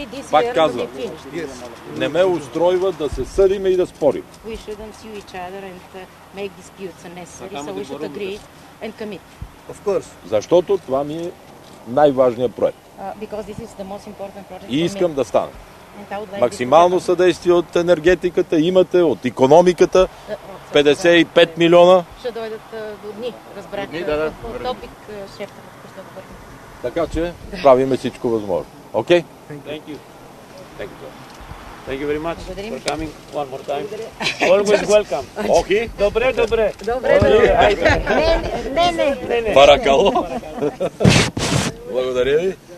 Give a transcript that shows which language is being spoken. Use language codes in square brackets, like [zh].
[bg] Пак казвам, не ме устройва да се съдиме и да спорим. [en] We shouldn't sue each other and make disputes unnecessary, so we should agree and commit. Of course. [bg] Защото това ми е най-важният проект. [en] Because this is the most important project. [bg] И искам да стане. Максимално съдействие от енергетиката имате, от економиката. 55 милиона. Ще дойдат до дни, разбрах. Да, да. От топик шефта, защото говорим. Така че правиме всичко възможно. Окей? [en] Thank you very much for coming one more time. Always welcome. Okay. [bg] Добре. Не. Баракало. Благодаря ви.